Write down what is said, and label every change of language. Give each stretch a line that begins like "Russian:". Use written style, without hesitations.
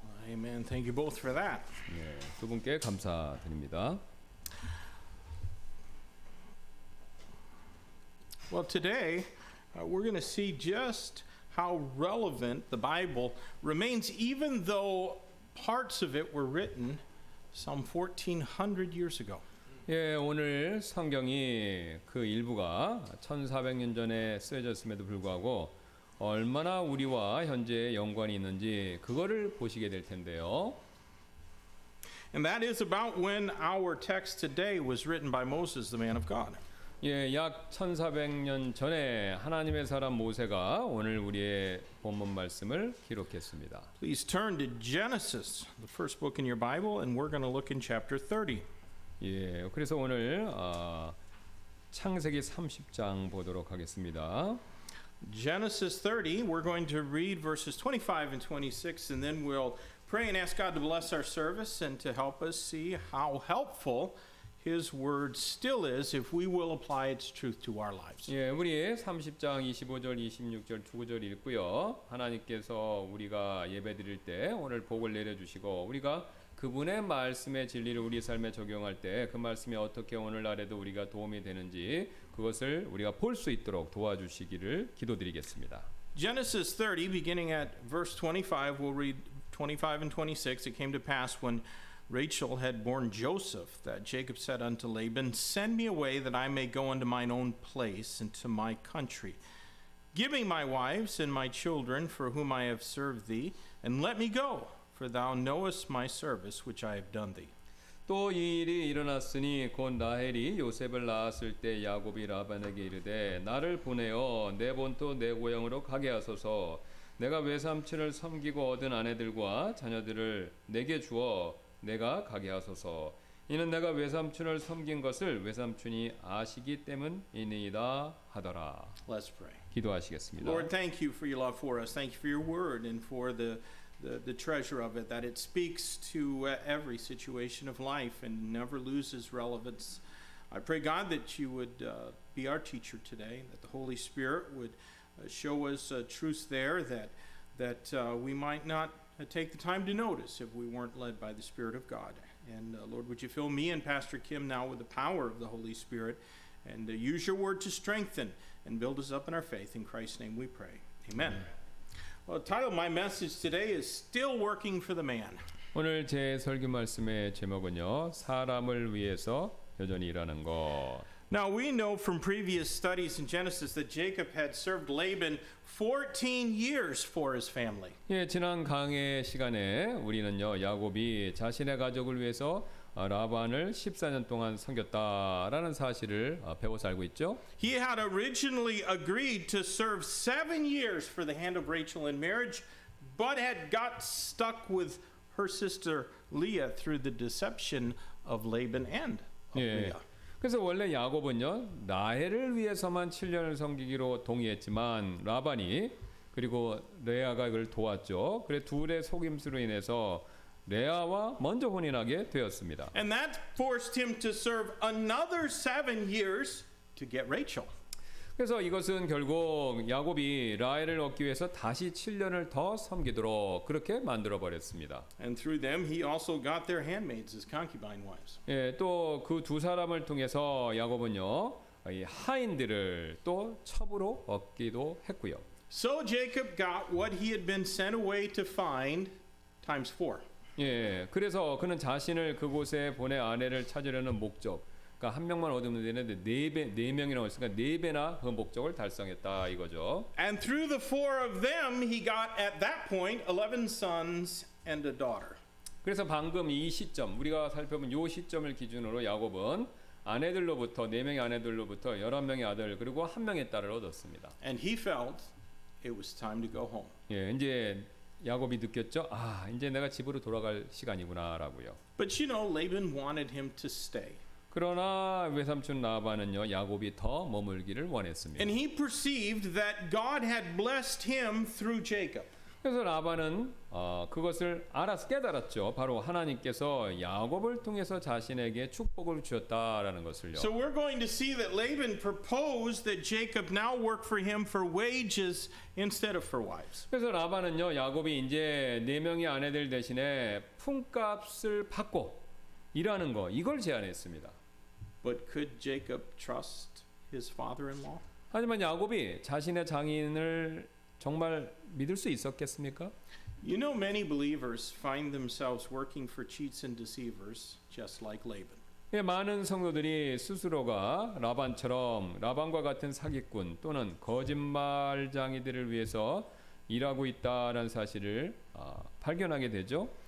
English: And thank you both for that.
Korean: 네, 두 분께 감사드립니다.
English: Well, today we're going to see just how relevant the Bible remains, even though parts of it were written some 1,400 years ago.
Korean: 예, 오늘 성경이 그 일부가 1,400년 전에 쓰여졌음에도 불구하고 얼마나 우리와 현재 연관이 있는지 그거를 보시게 될 텐데요.
English: And that is about when our text today was written by Moses, the man of God.
Korean: 예, 약 1,400년 전에 하나님의 사람 모세가 오늘 우리의 본문 말씀을 기록했습니다.
English: Please turn to Genesis, the first book in your Bible, and we're going to look in chapter 30.
Korean: 예, 그래서 오늘 창세기 30장 보도록 하겠습니다.
English: Genesis 30, we're going to read verses 25 and 26, and then we'll pray and ask God to bless our service and to help us see how helpful His word still is if we will apply its truth to our lives.
Korean: 예, 우리 30장 25절, 26절 두 구절 읽고요. 하나님께서 우리가 예배드릴 때 오늘 복을 내려 주시고 우리가 그분의 말씀의 진리를 우리 삶에 적용할 때 그 말씀이 어떻게 오늘날에도 우리가 도움이 되는지 그것을 우리가 볼 수 있도록 도와주시기를 기도드리겠습니다.
English: Genesis 30 beginning at verse 25 we'll read 25 and 26 it came to pass when Rachel had borne Joseph, that Jacob said unto Laban, Send me away that I may go unto mine own place and to my country. Give me my wives and my children for whom I have served thee, and let me go, for thou knowest my service which I have done thee.
Korean: 또 이 일이 일어났으니 곧 라헬이 요셉을 낳았을 때 야곱이 라반에게 이르되 나를 보내어 내 본토 내 고향으로 가게 하소서 내가 외삼촌을 섬기고 얻은 아내들과 자녀들을 내게 주어 내가 가게 하소서 이는 내가 외삼촌을 섬긴 것을 외삼촌이 아시기 때문이니이다 하더라.
English: Let's pray.
Korean: 기도하시겠습니다.
English: Lord, thank you for your love for us. Thank you for your word and for the treasure of it that it speaks to every situation of life and never loses relevance. I pray God that you would be our teacher today that the Holy Spirit would show us truth there that we might not take the time to notice if we weren't led by the Spirit of God. And Lord, would you fill me and Pastor Kim now with the power of the Holy Spirit and use your word to strengthen and build us up in our faith. In Christ's name we pray. Amen. Amen. Well, the title of my message today is Still Working for the Man.
Korean: 오늘 제 설교 말씀의 제목은요, 사람을 위해서 여전히 일하는 것.
English: Now we know from previous studies in Genesis that Jacob had served Laban 14 years for his family.
Korean: 예, 지난 강의 시간에 우리는요 야곱이 자신의 가족을 위해서 라반을 14년 동안 섬겼다라는 사실을 배워서 알고 있죠.
English: He had originally agreed to serve 7 years for the hand of Rachel in marriage, but had got stuck with her sister Leah through the deception of Laban and of Leah.
Korean: 그래서 원래 야곱은요 라헬을 위해서만 7년을 섬기기로 동의했지만 라반이 그리고 레아가 그걸 도왔죠. 그래 둘의 속임수로 인해서 레아와 먼저 혼인하게 되었습니다.
English: And that forced him to serve another 7 years to get Rachel.
Korean: 그래서 이것은 결국 야곱이 라헬을 얻기 위해서 다시 7년을 더 섬기도록 그렇게 만들어 버렸습니다.
English: And through them he also got their handmaids as concubine wives.
Korean: 예, 또 그 두 사람을 통해서 야곱은요. 이 하인들을 또 첩으로 얻기도 했고요.
English: So Jacob got what he had been sent away to find times four.
Korean: 예. 그래서 그는 자신을 그곳에 보내 아내를 찾으려는 목적 그러니까 한 명만 얻으면 되는데 네 배, 네 명이나 얻으니까 네 배나 그 목적을 달성했다 이거죠.
English: And through the four of them, he got at that point 11 sons and a daughter.
Korean: 그래서 방금 이 시점 우리가 살펴본 이 시점을 기준으로 야곱은 아내들로부터 네 명의 아내들로부터 열한 명의 아들 그리고 한 명의 딸을 얻었습니다.
English: And he felt it was time to go home.
Korean: 예, 이제 야곱이 느꼈죠. 아, 이제 내가 집으로 돌아갈 시간이구나라고요.
English: But you know, Laban wanted him to stay.
Korean: 그러나 외삼촌 라반은요 야곱이 더 머물기를 원했습니다.
English: And he perceived that God had blessed him through Jacob.
Korean: 그래서 라반은 그것을 알아서 깨달았죠. 바로 하나님께서 야곱을 통해서 자신에게 축복을 주었다라는 것을요.
English: So we're going to see that Laban proposed that Jacob now work for him for wages instead of for wives.
Korean: 그래서 라반은요, 야곱이 이제 네 명의 아내들 대신에 품값을 받고 일하는 거 이걸 제안했습니다.
English: But could Jacob trust his father-in-law?
Korean: 하지만 야곱이 자신의 장인을 정말 믿을 수 있었겠습니까?
English: You know, many believers find themselves working for cheats and deceivers, just like Laban.
Korean: 예, 많은 성도들이 스스로가 라반처럼 라반과 같은 사기꾼 또는 거짓말쟁이들을 위해서 일하고 있다라는 사실을 발견하게 되죠.